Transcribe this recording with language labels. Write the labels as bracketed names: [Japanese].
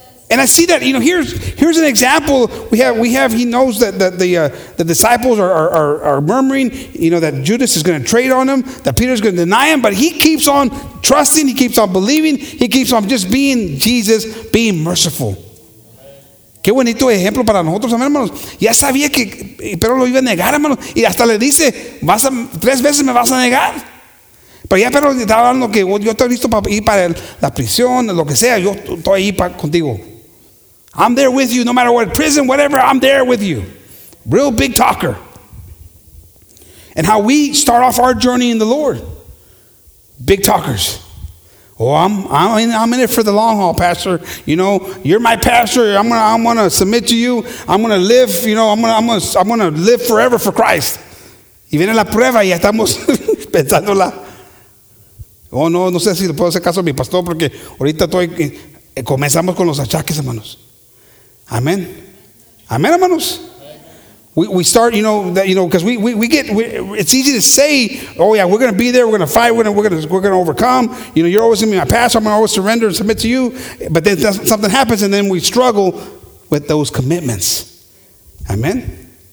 [English] And I see that, you know, here's an example. We have he knows that the disciples are murmuring, you know, that Judas is going to trade on him, that Peter's going to deny him, but he keeps on trusting, he keeps on believing, he keeps on just being Jesus, being merciful. [Spanish] Qué bonito ejemplo para nosotros, hermanos. Ya sabía que Pedro lo iba a negar, hermanos, y hasta le dice, tres veces me vas a negar. Pero ya pero está hablando que yo estoy listo para ir para la prisión, lo que sea, yo estoy ahí para contigo. [English] I'm there with you no matter what, prison, whatever, I'm there with you. Real big talker. And how we start off our journey in the Lord. Big talkers. Oh, I'm in it for the long haul, Pastor. You know, you're my pastor. I'm gonna submit to you. I'm gonna live, you know, I'm gonna live forever for Christ. [Spanish] Y viene la prueba y estamos pensándola. Oh, no sé si le puedo hacer caso a mi pastor porque ahorita estoy, comenzamos con los achaques, hermanos. Amén. Amén, hermanos. [English] We start, you know, because we get, it's easy to say, oh yeah, we're going to be there, we're going to fight, we're going to overcome. You know, you're always going to be my pastor, I'm going to always surrender and submit to you. But then something happens and then we struggle with those commitments. Amen.